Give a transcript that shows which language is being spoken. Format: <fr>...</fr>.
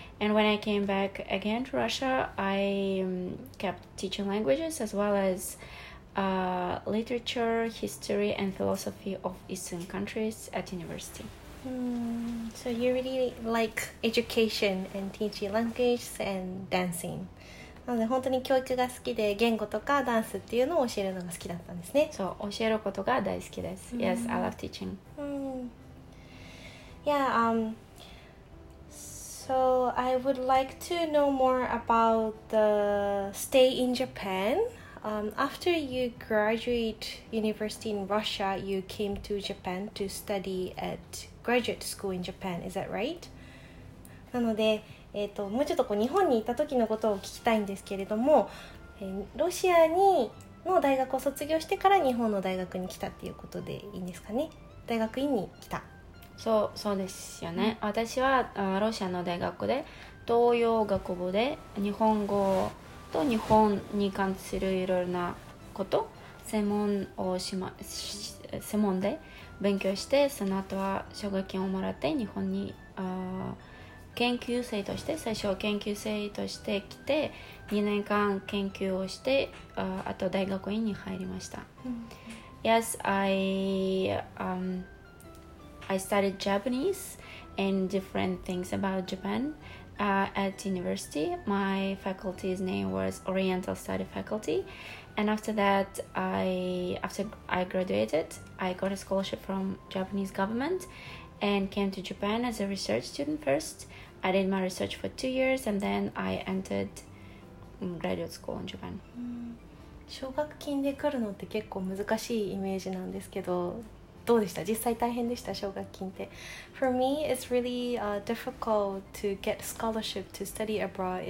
<en>And when I came back again to Russia, I kept teaching languages as well as literature, history, and philosophy of Eastern countries at university. So you really like education and teaching languages and dancing.</en> <ja>なので本当に教育が好きで、言語とかダンスっていうのを教えるのが好きだったんですね。そう、教えることが大好きです。</ja> <en>Yes, I love teaching. Yeah, so I would like to know more about the stay in Japan. After you graduate university in Russia, you came to Japan to study at graduate school in Japan, is that right?</en> <ja>なのでもうちょっとこう日本に行った時のことを聞きたいんですけれども、ロシアにの大学を卒業してから日本の大学に来たっていうことでいいんですかね。大学院に来た。そうですよね、うん、私はロシアの大学で東洋学部で日本語と日本に関するいろいろなこと専門で勉強して、その後は奨学金をもらって日本に研究生として、最初は研究生として来て2年間研究をして、あと大学院に入りました。</ja> <en>Yes, I studied Japanese and different things about Japan at university. My faculty's name was Oriental Study Faculty. And after that, after I graduated, I got a scholarship from Japanese government and came to Japan as a research student first. I did my research for 2 years and then I entered graduate school in Japan.</en> <ja>奨学金で来るのって結構難しいイメージなんですけど、どうでした？実際大変でした？奨学金って。</ja> <en>For me, it's really difficult to get scholarship to study abroad.</en>